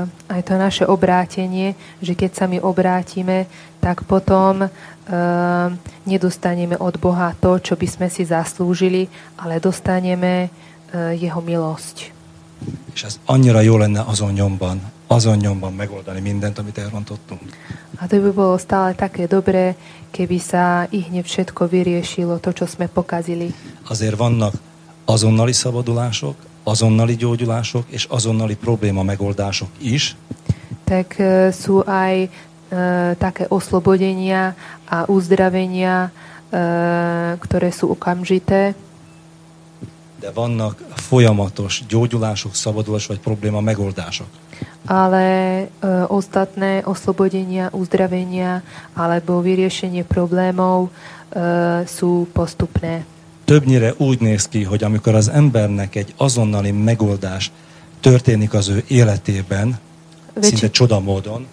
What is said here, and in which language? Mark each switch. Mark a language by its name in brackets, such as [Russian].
[Slovak] A to naše obrátenie, že keď sa my obrátime, tak potom nedostaneme od Boha to, čo by sme si zaslúžili, ale dostaneme jeho milosť. [Hungarian] És ez annyira jó lenne azon nyomban megoldani mindent, amit elrontottunk. [Slovak] A to by bolo stále také dobré, keby sa ihne všetko vyriešilo, to, čo sme pokazili. [Hungarian] Azért vannak azonnali szabadulások, azonnali gyógyulások és azonnali probléma megoldások is. [Slovak] Tak sú aj také oslobodenia a uzdravenia, ktoré sú okamžité. [Hungarian] De vannak folyamatos gyógyulások, szabadulás vagy probléma megoldások. [Slovak] Ale ostatné oslobodenia, uzdravenia alebo vyriešenie problémov sú postupné. [Hungarian] Többnyire úgy néz ki, hogy amikor az embernek egy azonnali megoldás történik az ő életében, szinte csoda módon.